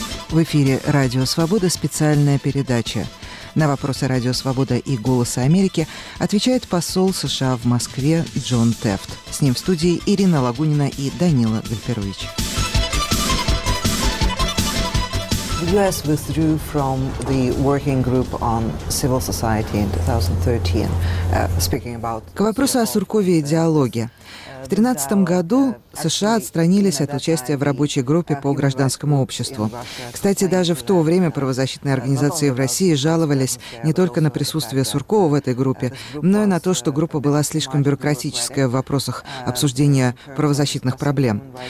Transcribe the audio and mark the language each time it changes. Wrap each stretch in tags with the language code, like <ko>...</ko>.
<ru>В эфире «Радио Свобода» специальная передача. На вопросы «Радио Свобода» и «Голоса Америки» отвечает посол США в Москве Джон Тефт. С ним в студии Ирина Лагунина и Данила Гальперович.</ru> <en>U.S. withdrew from the working group on civil society in 2013, speaking about...</en> <ru>К вопросу о Суркове и диалоге. В 2013 году США отстранились от участия в рабочей группе по гражданскому обществу. Кстати, даже в то время правозащитные организации в России жаловались не только на присутствие Суркова в этой группе, но и на то, что группа была слишком бюрократическая в вопросах обсуждения правозащитных проблем.</ru>